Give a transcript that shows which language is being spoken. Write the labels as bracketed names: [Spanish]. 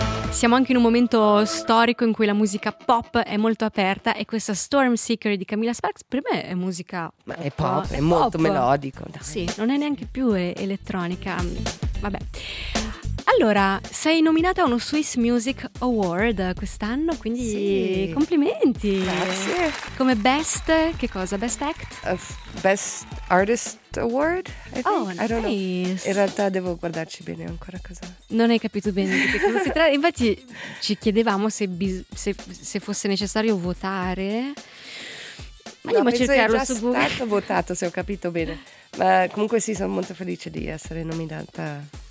[Italian] Siamo anche in un momento storico in cui la musica pop è molto aperta, e questa Stormseeker di Camilla Sparks per me è musica... Ma è pop, è molto pop. Melodico. Dai. Sì, non è neanche più elettronica. Vabbè. Allora, sei nominata a uno Swiss Music Award quest'anno, quindi sì. Complimenti. Grazie. Come best, che cosa? Best act? [English] Best artist award, I think. Oh, nice. I don't know. [Italian] In realtà devo guardarci bene ancora cosa. Non hai capito bene di che cosa si tratta. Infatti ci chiedevamo se fosse necessario votare. Andiamo a cercarlo su Google. È stato votato, se ho capito bene. Ma comunque sì, sono molto felice di essere nominata.